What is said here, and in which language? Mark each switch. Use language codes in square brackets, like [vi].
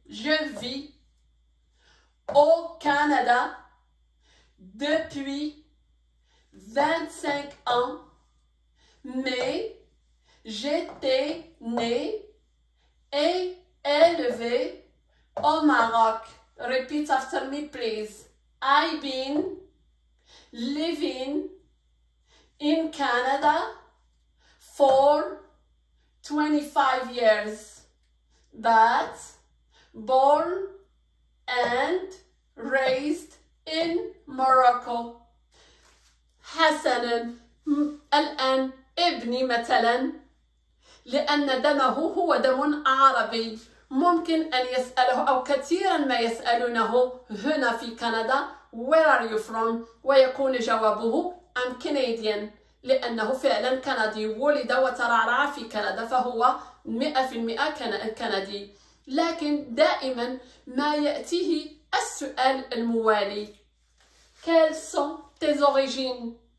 [fr] Je vis au Canada depuis 25 ans, mais j'étais né et élevé au Maroc. [en] Repeat after me, please. I've been living in Canada for 25 years, but born and raised in Morocco. [ar] حسنا الآن ابني مثلا لأن دمه هو دم عربي ممكن أن يسأله أو كثيرا ما يسألونه هنا في كندا [en] Where are you from? [ar] ويكون جوابه [en] I'm Canadian [ar] لأنه فعلا كندي ولد وترعرع في كندا فهو 100% كندي لكن دائما ما يأتيه السؤال الموالي [fr] Quelles sont tes origines?